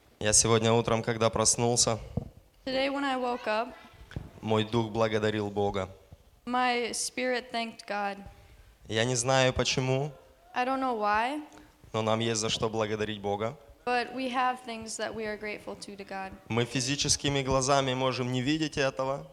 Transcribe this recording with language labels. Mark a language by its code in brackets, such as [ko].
[ru] Я сегодня утром, когда проснулся, [en] Today, when I woke up, [ru] мой дух благодарил Бога. [en] My spirit thanked God. [ru] Я не знаю почему, [en] I don't know why, [ru] но нам есть за что благодарить Бога. [en] But we have things that we are grateful to God. [ru] Мы физическими глазами можем не видеть этого.